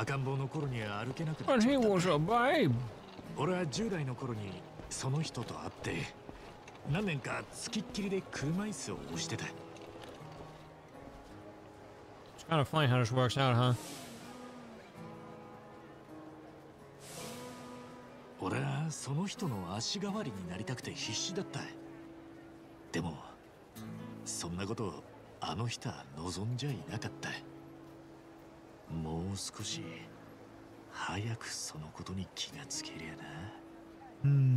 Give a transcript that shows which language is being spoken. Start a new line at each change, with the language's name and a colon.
Japanese: 赤ん坊の頃には歩けなくなっちゃったんだ。
English: And he was a babe.
Japanese: 俺は10代の頃にその人と会って、何年か付きっきりで車椅子を押してた。
English: It's kind of funny how this works out, huh?
Japanese: 俺はその人の足代わりになりたくて必死だった。でも、そんなことあの人は望んじゃいなかった。もう少し早くそのことに気がつけりゃな。